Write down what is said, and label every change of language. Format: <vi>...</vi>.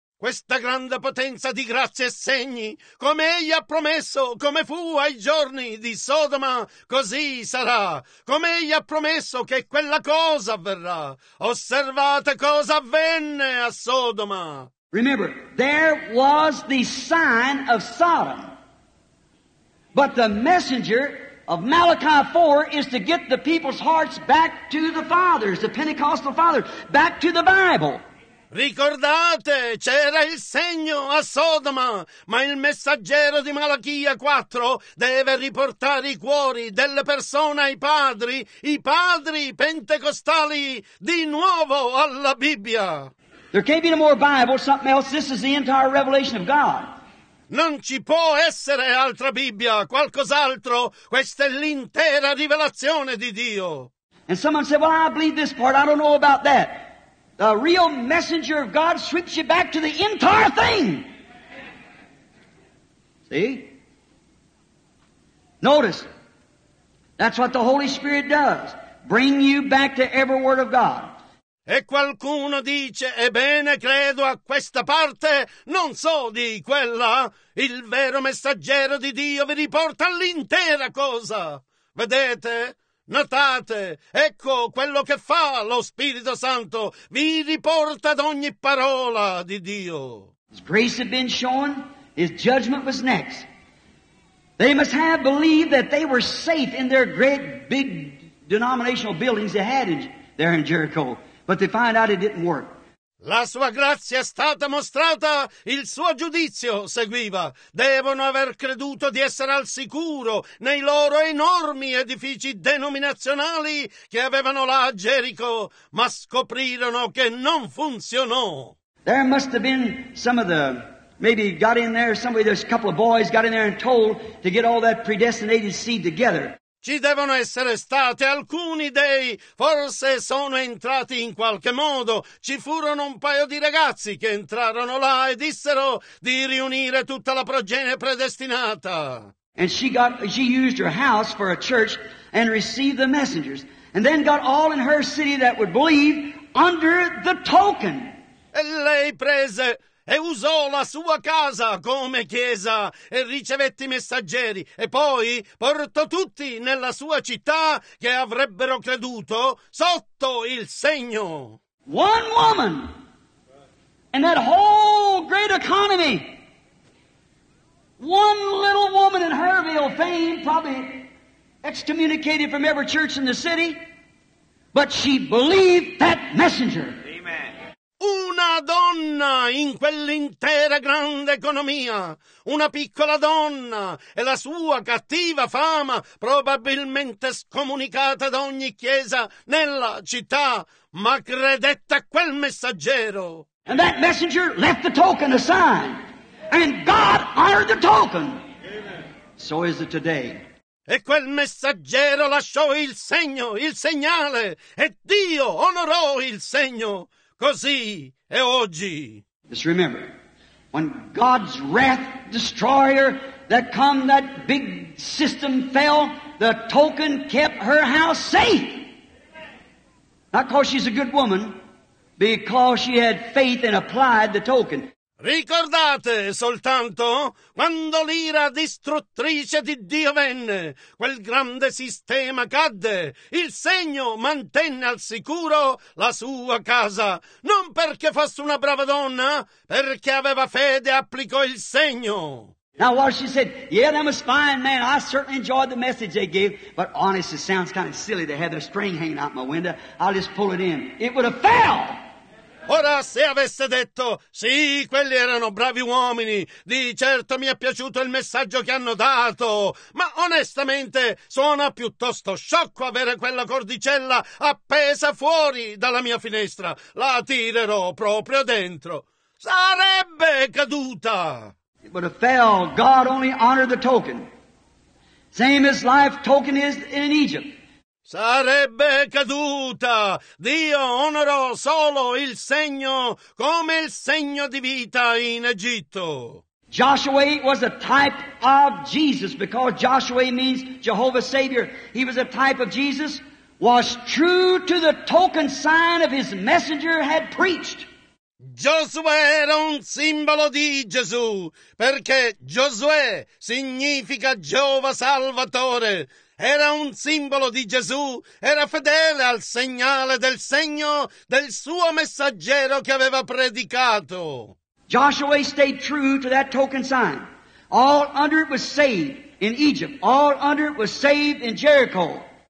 <it>Questa grande potenza di grazia e segni, come egli ha promesso, come fu ai giorni di Sodoma, così sarà. Come egli ha promesso che quella cosa avverrà. Osservate cosa avvenne a Sodoma.</it> <en>Remember, there was the sign of Sodom, but the messenger of Malachi 4 is to get the people's hearts back to the fathers, the Pentecostal fathers, back to the Bible.</en> <it>Ricordate, c'era il segno a Sodoma, ma il messaggero di Malachia 4 deve riportare i cuori delle persone ai padri, i padri pentecostali, di nuovo alla Bibbia.</it> <en>There can't be no more Bible, something else. This is the entire revelation of God.</en> <it>Non ci può essere altra Bibbia, qualcos'altro. Questa è l'intera rivelazione di Dio.</it> <en>And someone said, well, I believe this part, I don't know about that. The real messenger of God sweeps you back to the entire thing. See? Notice, that's what the Holy Spirit does. Bring you back to every word of God.</en> <it>E qualcuno dice, ebbene, credo a questa parte, non so di quella. Il vero messaggero di Dio vi riporta all'intera cosa. Vedete? Notate? Ecco quello che fa lo Spirito Santo. Vi riporta ad ogni parola di Dio.</it> <en>His grace had been shown, his judgment was next. They must have believed that they were safe in their great big denominational buildings they had in, there in Jericho, but they find out it didn't work.</en> <it>La sua grazia è stata mostrata, il suo giudizio seguiva. Devono aver creduto di essere al sicuro nei loro enormi edifici denominazionali che avevano là a Gerico, ma scoprirono che non funzionò.</it> <en>There must have been some of the, maybe got in there, somebody, there's a couple of boys got in there and told to get all that predestinated seed together.</en> <it>Ci devono essere state alcuni dei, forse sono entrati in qualche modo. Ci furono un paio di ragazzi che entrarono là e dissero di riunire tutta la progenie predestinata.</it> <en>And she used her house for a church and received the messengers. And then got all in her city that would believe under the token.</en> <it>E lei prese e usò la sua casa come chiesa e ricevette i messaggeri e poi portò tutti nella sua città che avrebbero creduto sotto il segno.</it> <en>One woman and that whole great economy. One little woman in Herville, fame probably excommunicated from every church in the city, but she believed that messenger.</en> <it>Una donna in quell'intera grande economia, una piccola donna e la sua cattiva fama probabilmente scomunicata da ogni chiesa nella città, ma credette a quel messaggero.</it> <en>And that messenger left the token, a sign, and God honored the token. So is it today.</en> <it>E quel messaggero lasciò il segno, il segnale, e Dio onorò il segno. Così è oggi.</it> <en>Just remember, when God's wrath destroyer that come, that big system fell, the token kept her house safe. Not because she's a good woman, because she had faith and applied the token.</en> <it>Ricordate soltanto quando l'ira distruttrice di Dio venne, quel grande sistema cadde, il segno mantenne al sicuro la sua casa, non perché fosse una brava donna, perché aveva fede e applicò il segno.</it> <en>Now what she said, yeah, I'm a fine man, I certainly enjoyed the message they gave, but honest, it sounds kind of silly to have their string hanging out my window, I'll just pull it in, it would have fell.</en> <it>Ora, se avesse detto, sì, quelli erano bravi uomini, di certo mi è piaciuto il messaggio che hanno dato, ma onestamente suona piuttosto sciocco avere quella cordicella appesa fuori dalla mia finestra. La tirerò proprio dentro. Sarebbe caduta!</it> <en>It would have fell. God only honored the token. Same as life token is in Egypt.</en> <it>Sarebbe caduta. Dio onorò solo il segno come il segno di vita in Egitto.</it> <en>Joshua was a type of Jesus, because Joshua means Jehovah Savior. He was a type of Jesus, was true to the token sign of his messenger had preached.</en> <it>Giosuè era un simbolo di Gesù, perché Giosuè significa Geova Salvatore. Era un simbolo di Gesù, era fedele al segnale del segno del suo messaggero che aveva predicato.</it> <en>Joshua stayed true to that token sign. All under it was saved in Egypt. All under it was saved in Jericho.</en>